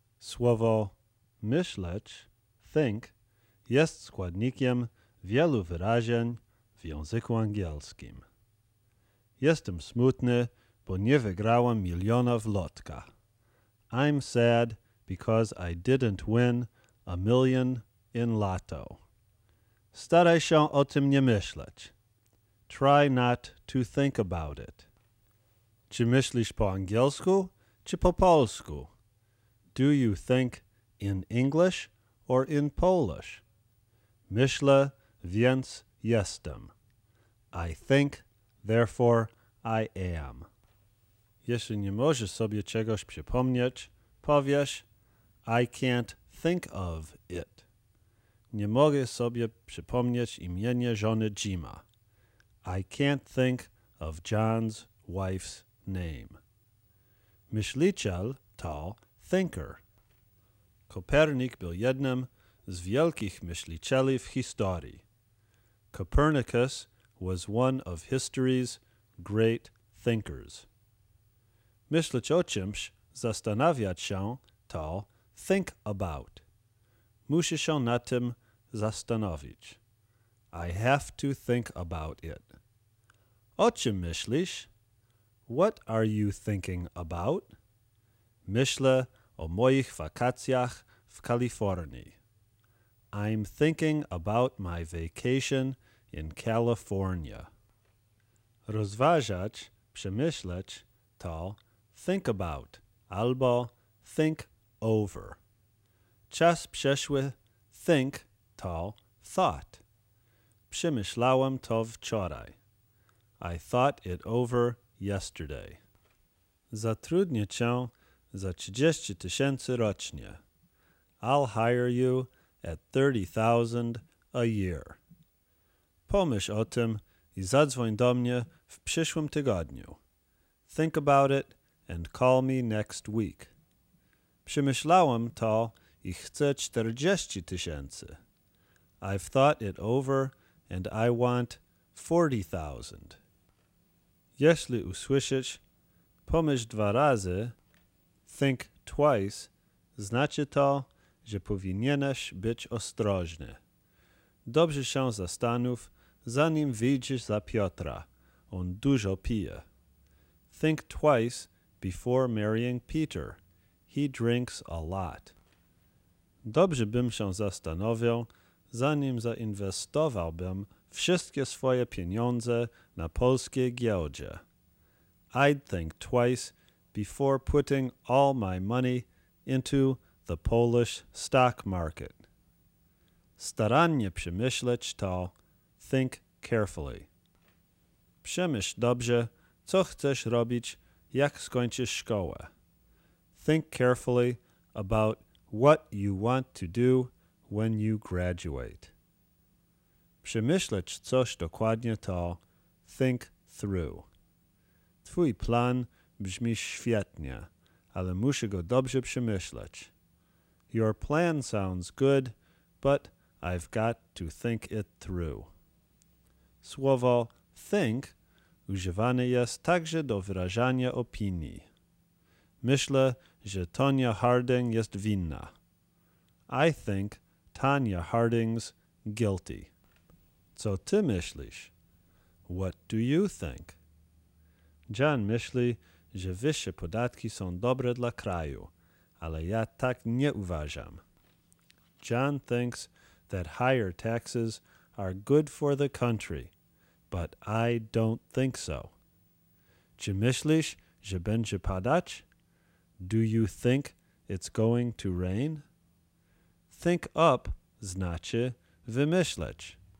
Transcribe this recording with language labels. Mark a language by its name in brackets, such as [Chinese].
[Polish] słowo myśleć, think, jest składnikiem wielu wyrażeń w języku angielskim. Jestem smutny, bo nie wygrałem miliona w lotka. [English] I'm sad because I didn't win a million in lotto. [Polish] Staraj się o tym nie myśleć. [English] Try not to think about it. [Polish] Czy myślisz po angielsku, czy po polsku? [English] Do you think in English or in Polish? [Polish] Myślę, więc jestem. [English] I think, therefore I am. [Polish] Jeśli nie możesz sobie czegoś przypomnieć, powiesz, [English] I can't think of it. [Polish] Nie mogę sobie przypomnieć imienia żony Jima. [English] I can't think of John's wife's name. [Polish] Myśliciel to thinker. Kopernik był jednym z wielkich myślicieli w historii. [English] Copernicus was one of history's great thinkers. [Polish] Myśleć o czymś, zastanawiać się, to think about. Musisz się nad tym zastanowić. [English] I have to think about it. [Polish] O czym myślisz? [English] What are you thinking about? [Polish] Myślę o moich wakacjach w Kalifornii. [English] I'm thinking about my vacation in California. [Polish] Rozważać, przemyśleć, to think about, albo think over. Czas przeszły, think, to thought. Przemyślałem to wczoraj. [English] I thought it over yesterday. [Polish] Zatrudnię cię za 30 tysięcy rocznie. [English] I'll hire you at 30,000 a year. [Polish] Pomyśl o tym i zadzwoń do mnie w przyszłym tygodniu. [English] Think about it and call me next week. [Polish] Przemyślałem to i chcę 40 tysięcy. [English] I've thought it over and I want 40,000. [Polish] Jeśli usłyszysz, pomyśl dwa razy, think twice, znaczy to, że powinieneś być ostrożny. Dobrze się zastanów, zanim wyjdziesz za Piotra. On dużo pije. [English] Think twice before marrying Peter. He drinks a lot. [Polish] Dobrze bym się zastanowił, zanim zainwestowałbym wszystkie swoje pieniądze na polskiej giełdzie. [English] I'd think twice before putting all my money into the Polish stock market. [Polish] Starannie przemyśleć to, think carefully. Przemyśl dobrze, co chcesz robić, jak skończysz szkołę. [English] Think carefully about what you want to do when you graduate. [Polish] Przemyśleć coś dokładnie to, think through. Twój plan brzmi świetnie, ale muszę go dobrze przemyśleć. [English] Your plan sounds good, but I've got to think it through. [Polish] Słowo think używane jest także do wyrażania opinii. Myślę, że Tonya Harding jest winna. [English] I think Tonya Harding's guilty. [Polish] Co ty myślisz? [English] What do you think? [Polish] John myśli, że wyższe podatki są dobre dla kraju, ale ja tak nie uważam. [English] John thinks that higher taxes are good for the country, but I don't think so. [Polish] Czy myślisz, że będzie padacz? [English] Do you think it's going to rain? [Polish] Think up znaczy wymyśleć.